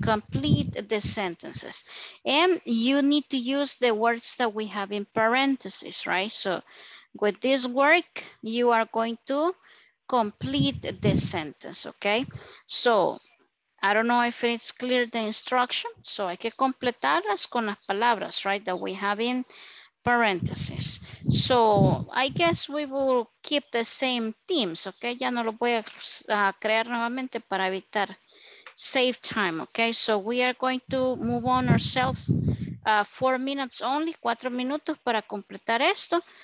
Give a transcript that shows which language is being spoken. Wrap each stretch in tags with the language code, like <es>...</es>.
<en>Complete the sentences. And you need to use the words that we have in parentheses, right? So with this work, you are going to complete the sentence, okay? So I don't know if it's clear the instruction.</en> <es>So hay que completarlas con las palabras, right?</es> <en>That we have in parentheses. So I guess we will keep the same themes, okay?</en> <es>Ya no lo voy a crear nuevamente para evitar</es> <en>save time,</en> <es>okay?</es> <en>So we are going to move on ourselves 4 minutes only,</en> <es>4 minutos para completar esto.</es>